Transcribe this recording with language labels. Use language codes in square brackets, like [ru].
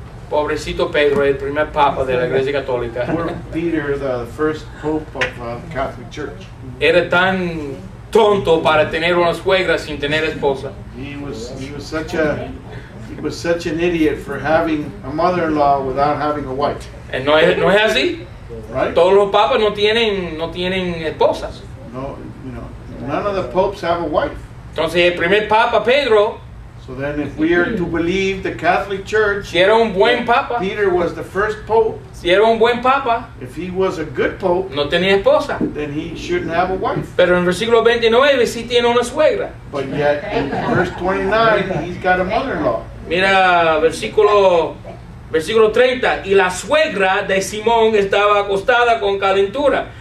[es] Pobrecito Pedro, el primer papa de la Iglesia Católica. [en] Poor Peter, the first pope of Catholic Church. [es] Era tan tonto para tener una suegra sin tener esposa. [en] He was such an idiot for having a mother-in-law without having a wife. [es] No es así. [en] Right? [es] Todos los papas no tienen esposas. [en] None of the popes have a wife. [es] Entonces el primer papa Pedro. [en] So then if we are to believe the Catholic Church, [es] si era un buen papa, [en] Peter was the first pope. [es] Si era un buen papa, [en] if he was a good pope, [es] no tenía esposa, [en] then he shouldn't have a wife. [es] Pero en versículo 29 sí tiene una suegra. [en] But yet in verse 29 he's got a mother-in-law. [es] Mira versículo 30, y la suegra de Simón estaba acostada con calentura.